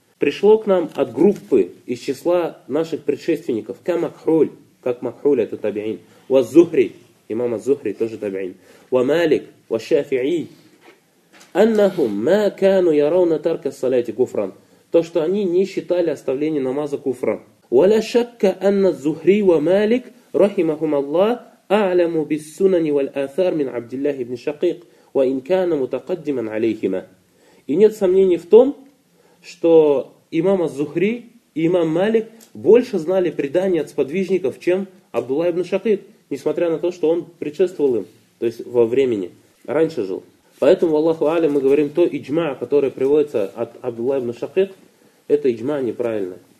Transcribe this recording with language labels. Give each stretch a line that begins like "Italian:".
Russian: Пришло к нам от группы из числа наших предшественников, как Макхруль, это табиин, «Ваз-Зухри», имам Аз-Зухри, тоже табиин, «Ва Малик», «Ва Шафи'и»,
Arabic: «Аннахум ма кану ярауна тарка салати куфран»,
Russian: то, что они не считали оставление намаза куфра.
Arabic: «Ва ля шакка анна Зухри ва Малик», رحمهم الله أعلم بالسنن والآثار من عبد الله بن شقيق وإن كان متقدما عليهما.
Russian: И нет сомнений в том, что имам Аз-Зухри и имам Малик больше знали предания от сподвижников, чем Абдулла ибн Шакик, несмотря на то, что он предшествовал им, то есть во времени, раньше жил. Поэтому, Аллаху Алим, мы говорим, то иджма, которое приводится от Абдулла ибн Шакик, это иджма неправильно.